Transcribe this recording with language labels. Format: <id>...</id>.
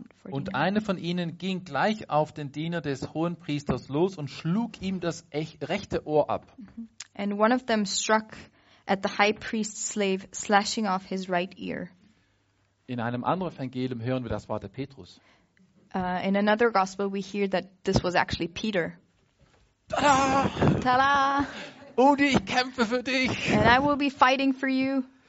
<de>Und eine von ihnen ging gleich auf den Diener des Hohenpriesters los und schlug ihm das rechte Ohr ab.</de> <en>And one of them struck at the high priest's slave, slashing off his right ear.</en> <de>In einem anderen Evangelium hören wir das Wort der Petrus.</de> <en>In another gospel we hear that this was actually Peter. Tada! Tada!</en> <de>Udi, ich kämpfe für dich.</de> <en>And I will be fighting for you.</en>